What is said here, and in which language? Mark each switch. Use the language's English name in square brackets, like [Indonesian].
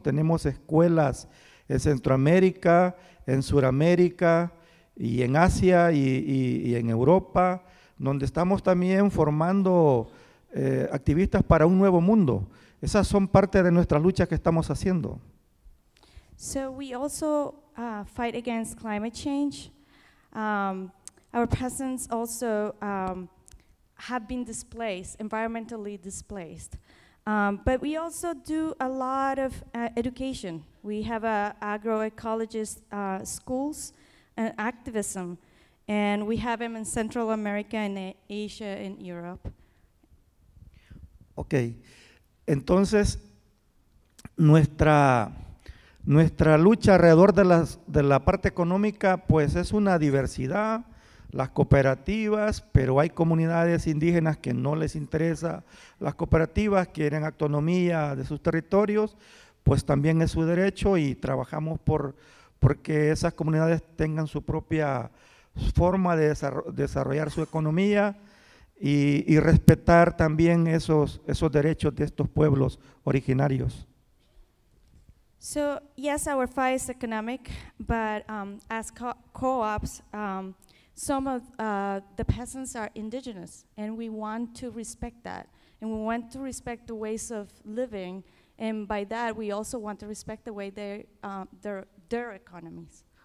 [Spanish] Tenemos escuelas en Centroamérica, en Sudamérica y en Asia y en Europa, donde estamos también formando activistas para un nuevo mundo. Esas son parte de nuestras luchas que estamos haciendo. [English] So we also fight against climate change. Our peasants also have been displaced, environmentally displaced. But we also do a lot of education. We have agroecologist schools and activism, and we have them in Central America and Asia and Europe. [Spanish] Okay, entonces nuestra lucha alrededor de la parte económica, pues es una diversidad, las cooperativas, pero hay comunidades indígenas que no les interesa las cooperativas, quieren autonomía de sus territorios, pues también es su derecho, y trabajamos porque esas comunidades tengan su propia forma de desarrollar su economía y respetar también esos derechos de estos pueblos originarios. [English] So, yes, our fight is economic, but as co-ops, some of the peasants are indigenous, and we want to respect that. And we want to respect the ways of living, and by that, we also want to respect the way their economies.